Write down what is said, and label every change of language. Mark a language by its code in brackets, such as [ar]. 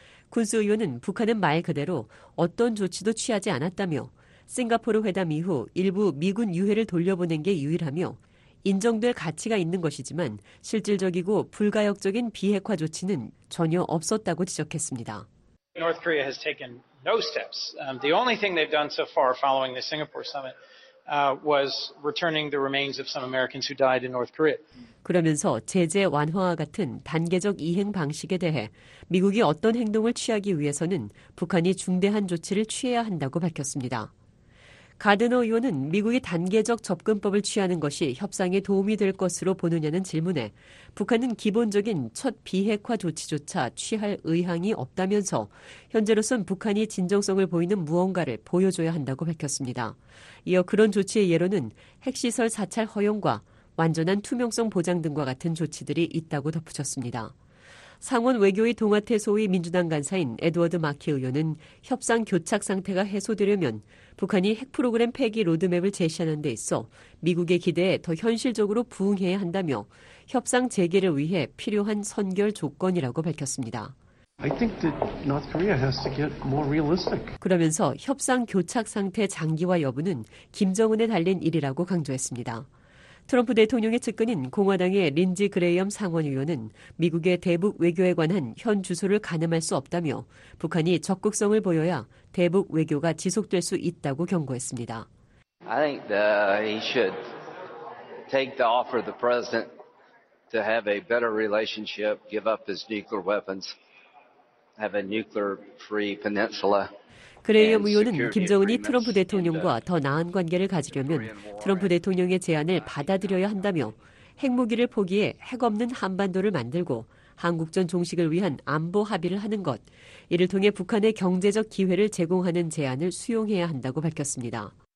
[ko] 군수 의원은 북한은 말 그대로 어떤 조치도 취하지 않았다며 싱가포르 회담 이후 일부 미군 유해를 돌려보낸 게 유일하며 인정될 가치가 있는 것이지만 실질적이고 불가역적인 비핵화 조치는 전혀 없었다고 지적했습니다. [en] North Korea has taken no steps. The only thing they've done so far following the Singapore summit was returning the remains of some Americans who died in North Korea. [ko] 그러면서 제재 완화와 같은 단계적 이행 방식에 대해 미국이 어떤 행동을 취하기 위해서는 북한이 중대한 조치를 취해야 한다고 밝혔습니다. 가드너 의원은 미국이 단계적 접근법을 취하는 것이 협상에 도움이 될 것으로 보느냐는 질문에 북한은 기본적인 첫 비핵화 조치조차 취할 의향이 없다면서 현재로선 북한이 진정성을 보이는 무언가를 보여줘야 한다고 밝혔습니다. 이어 그런 조치의 예로는 핵시설 사찰 허용과 완전한 투명성 보장 등과 같은 조치들이 있다고 덧붙였습니다. 상원 외교의 동아태 소위 민주당 간사인 에드워드 마키 의원은 협상 교착 상태가 해소되려면 북한이 핵 프로그램 폐기 로드맵을 제시하는 데 있어 미국의 기대에 더 현실적으로 부응해야 한다며 협상 재개를 위해 필요한 선결 조건이라고 밝혔습니다. [en] I think that North Korea has to get more realistic. [ko] 그러면서 협상 교착 상태 장기화 여부는 김정은에 달린 일이라고 강조했습니다. 트럼프 대통령의 측근인 공화당의 린지 그레이엄 상원의원은 미국의 대북 외교에 관한 현 주소를 가늠할 수 없다며 북한이 적극성을 보여야 대북 외교가 지속될 수 있다고 경고했습니다. [en] I think he should take the offer of the president to have a better relationship, give up his nuclear weapons, have a nuclear-free peninsula. [ko] 그레이엄 의원은 김정은이 트럼프 대통령과 더 나은 관계를 가지려면 트럼프 대통령의 제안을 받아들여야 한다며 핵무기를 포기해 핵 없는 한반도를 만들고 한국전 종식을 위한 안보 합의를 하는 것, 이를 통해 북한의 경제적 기회를 제공하는 제안을 수용해야 한다고 밝혔습니다.